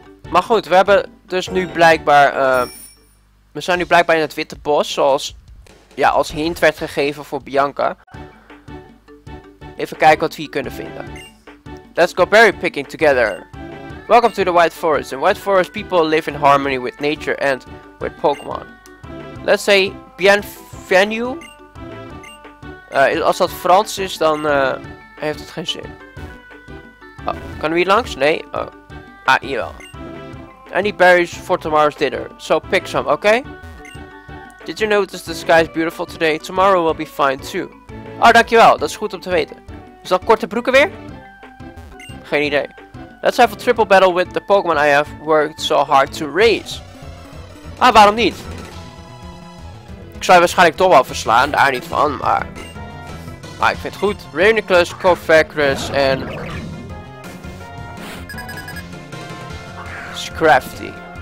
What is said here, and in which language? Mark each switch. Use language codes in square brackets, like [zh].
[nl] Maar goed, we hebben dus nu blijkbaar... we zijn nu blijkbaar in het Witte Bos, zoals... ja, als hint werd gegeven voor Bianca. Even kijken wat we hier kunnen vinden. [en] Let's go berry picking together. Welcome to the White Forest. In White Forest, people live in harmony with nature and with Pokémon. Let's say bienvenue... [nl] als dat Frans is, dan heeft het geen zin. Oh, kan we hier langs? Nee? Oh. Ah, jawel. [en] Any berries for tomorrow's dinner. So pick some, okay? Did you notice the sky is beautiful today? Tomorrow will be fine too. [nl] Oh, dankjewel. Dat is goed om te weten. Is dat korte broeken weer? Geen idee. [en] Let's have a triple battle with the Pokémon I have worked so hard to raise. [nl] Ah, waarom niet? Ik zou je waarschijnlijk toch wel verslaan. Daar niet van, maar... ah, ik vind het goed. Reuniclus, Kofacris en... Scrafty.